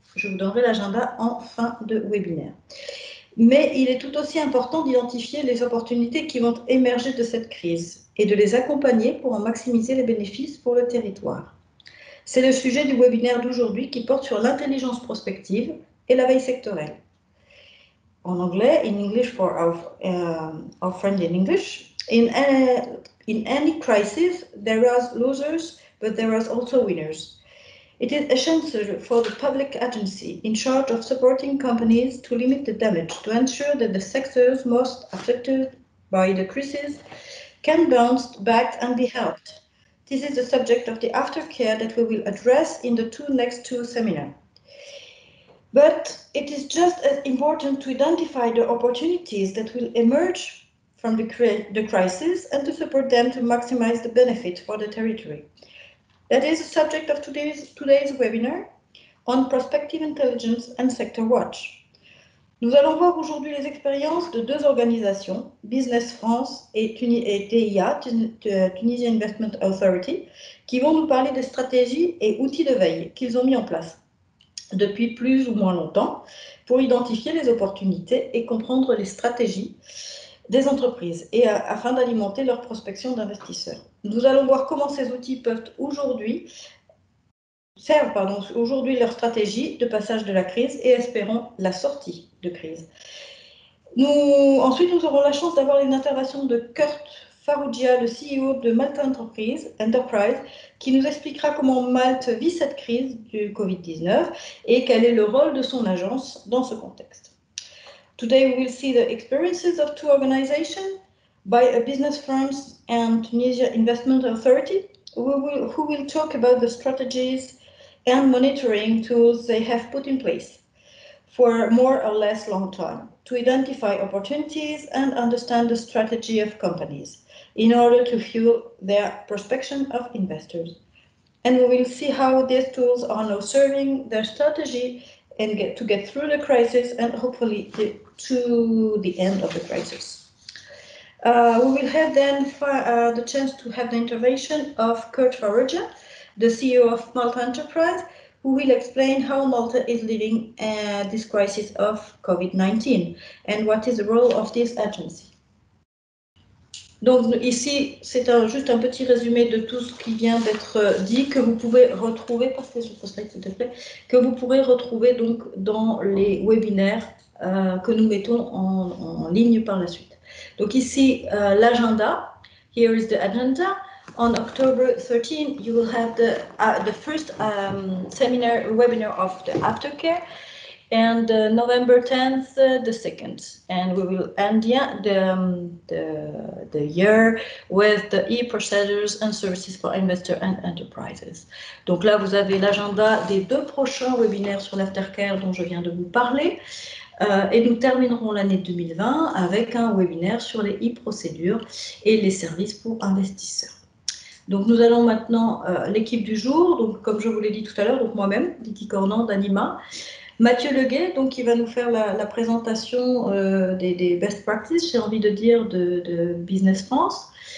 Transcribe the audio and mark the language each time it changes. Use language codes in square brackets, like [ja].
[fr] Je vous donnerai l'agenda en fin de webinaire. Mais il est tout aussi important d'identifier les opportunités qui vont émerger de cette crise et de les accompagner pour en maximiser les bénéfices pour le territoire. C'est le sujet du webinaire d'aujourd'hui qui porte sur l'intelligence prospective et la veille sectorielle. en anglais, [en] in English for our friend in English. In any crisis, there are losers, but there are also winners. It is essential for the public agency in charge of supporting companies to limit the damage, to ensure that the sectors most affected by the crisis can bounce back and be helped. This is the subject of the aftercare that we will address in the next two seminars. But it is just as important to identify the opportunities that will emerge from the crisis and to support them to maximize the benefit for the territory. That is the subject of today's webinar on prospective intelligence and sector watch. [fr] Nous allons voir aujourd'hui les expériences de deux organisations, Business France et TIA, Tunisia Investment Authority, qui vont nous parler des stratégies et outils de veille qu'ils ont mis en place depuis plus ou moins longtemps pour identifier les opportunités et comprendre les stratégies des entreprises et afin d'alimenter leur prospection d'investisseurs. Nous allons voir comment ces outils peuvent aujourd'hui leur stratégie de passage de la crise et espérons la sortie de crise. Ensuite, nous aurons la chance d'avoir les interventions de Kurt Farrugia, le CEO de Malta Enterprise, qui nous expliquera comment Malte vit cette crise du COVID-19 et quel est le rôle de son agence dans ce contexte. [en] Today we will see the experiences of two organizations by a Business France and Tunisia Investment Authority. Who will talk about the strategies and monitoring tools they have put in place for more or less long time to identify opportunities and understand the strategy of companies in order to fuel their prospection of investors. And we will see how these tools are now serving their strategy and to get through the crisis and hopefully to the end of the crisis. We will have then the chance to have the intervention of Kurt Farrugia, the CEO of Malta Enterprise, who will explain how Malta is leading this crisis of COVID-19 and what is the role of this agency. [fr] Donc ici, c'est juste un petit résumé de tout ce qui vient d'être dit que vous pouvez retrouver, passez sur le prospect s'il te plaît, que vous pourrez retrouver donc dans les webinaires que nous mettons en ligne par la suite. Donc ici, l'agenda. [en] Here is the agenda. On October 13, you will have the first seminar webinar of the aftercare. And November 10th, the second. And we will end the year with the e-procedures and services for investors and enterprises. [fr] Donc là, vous avez l'agenda des deux prochains webinaires sur l'aftercare dont je viens de vous parler. Et nous terminerons l'année 2020 avec un webinaire sur les e-procédures et les services pour investisseurs. Donc nous allons maintenant l'équipe du jour, donc comme je vous l'ai dit tout à l'heure, donc moi-même, Didi Cornan d'Anima, Mathieu Leguet, donc qui va nous faire la présentation des best practices, j'ai envie de dire, de Business France,